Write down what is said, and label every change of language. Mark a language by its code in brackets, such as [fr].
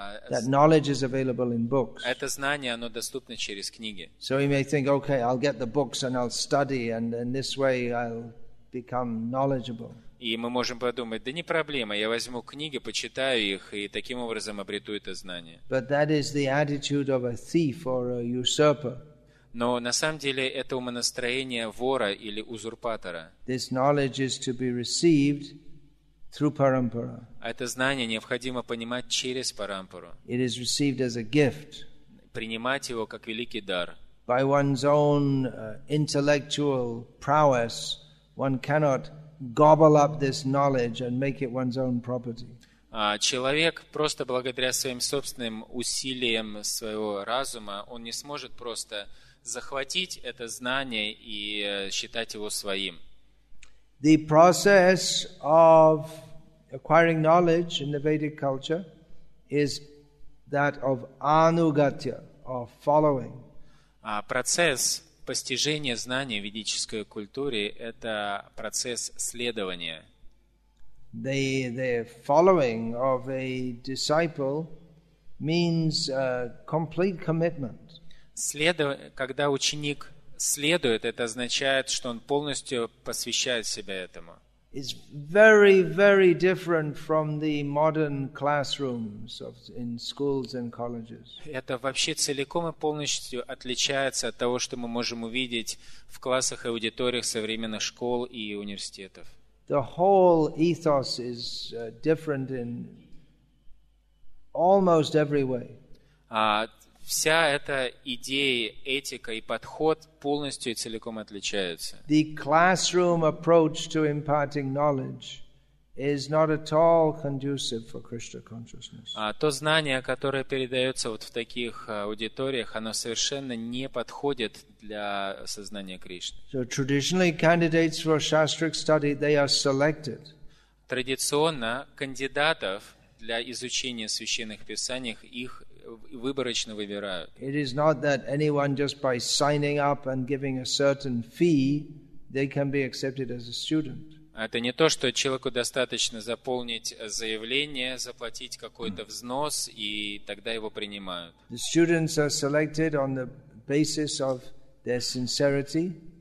[en] That knowledge is available in books. [ru] Это знание, оно доступно через книги. [en] So he may think, okay, I'll get the books and I'll study, and in this way I'll become knowledgeable. [ru] И мы можем подумать, да не проблема, я возьму книги, почитаю их, и таким образом обрету это знание. [en] But that is the attitude of a thief or a usurper. [ru] Но на самом деле это умонастроение вора или узурпатора. [en] This knowledge is to be received through parampara. [ru] Это знание необходимо понимать через парампару. [en] It is received as a gift. [ru] Принимать его как великий дар. [en] by one's own intellectual prowess, one cannot gobble up this knowledge and make it one's own property. [ru] Человек просто благодаря своим собственным усилиям своего разума, он не сможет просто захватить это знание и считать его своим. [en] The process of acquiring knowledge in the Vedic culture is that of anugatya, of following. [ru] Процесс постижения знания в ведической культуре – это процесс следования. [en] The following of a disciple means a complete commitment. [ru] Когда ученик следует, это означает, что он полностью посвящает себя этому. [en] It's very, very different from the modern classrooms of in schools and colleges. [ru] Это вообще целиком и полностью отличается от того, что мы можем увидеть в классах и аудиториях современных школ и университетов. [en] The whole ethos is different in almost every way. [ru] Вся эта идея, этика и подход полностью и целиком отличаются. [en] The classroom approach to imparting knowledge is not at all conducive for Krishna consciousness. [ru] То знание, которое передается вот в таких аудиториях, оно совершенно не подходит для сознания Кришны. [en] So traditionally, candidates for shastric study, they are selected. [ru] Традиционно кандидатов для изучения священных писаний их выборочно выбирают. [en] It is not that anyone just by signing up and giving a certain fee, they can be accepted as a student. [ru] Это не то, что человеку достаточно заполнить заявление, заплатить какой-то взнос, и тогда его принимают. [en] The students are selected on the basis of their sincerity.